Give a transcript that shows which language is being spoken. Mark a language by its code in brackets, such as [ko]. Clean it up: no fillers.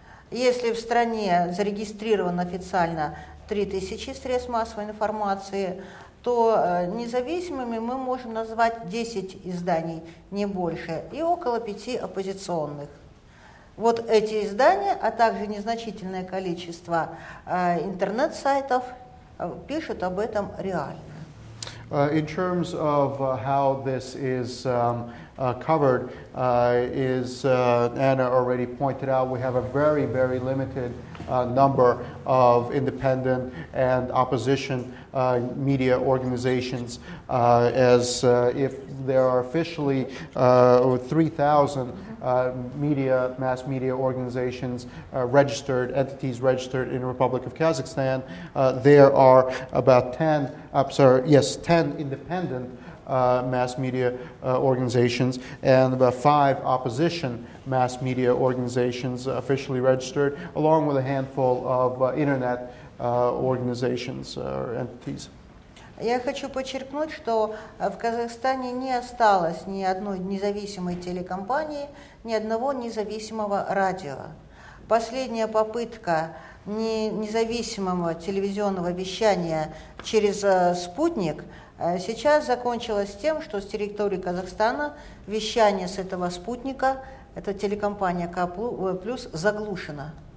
[ru] Если в стране зарегистрировано официально 3000 средств массовой информации, то независимыми мы можем назвать 10 изданий, не больше, и около 5 оппозиционных. Вот эти издания, а также незначительное количество интернет-сайтов пишут об этом реально. [en] In terms of how this is covered, is Anna already pointed out, we have a very, very limited number of independent and opposition media organizations, as if there are officially 3,000 mass media organizations registered, entities registered in the Republic of Kazakhstan, there are about 10 independent mass media organizations and about 5 opposition mass media organizations officially registered, along with a handful of internet organizations or entities. [ru] Я хочу подчеркнуть, что в Казахстане не осталось ни одной независимой телекомпании, ни одного независимого радио. Последняя попытка независимого телевизионного вещания через спутник сейчас закончилась тем, что с территории Казахстана вещание с этого спутника, это телекомпания К+, заглушено.